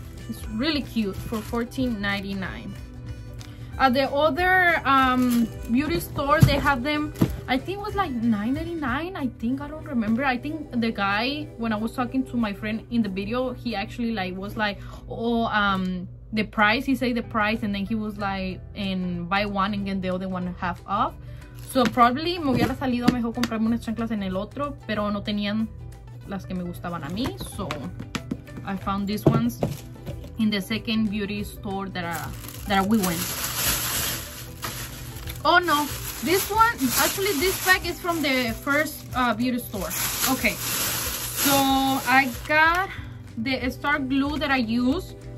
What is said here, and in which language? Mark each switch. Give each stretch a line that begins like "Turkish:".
English: It's really cute for $14.99. At the other beauty store, they have them, I think it was like $9.99, I think, I don't remember. I think the guy, when I was talking to my friend in the video, he actually like was like, oh, the price, he said the price, and then he was like, and buy one and get the other one half off. So probably
Spanish: me hubiera salido mejor comprarme unas chanclas en el otro, pero no tenían las que me gustaban a mí.
English: So I found these ones in the second beauty store that we went. Oh no, this one, actually this bag is from the first beauty store. Okay, so I got the star glue that I use.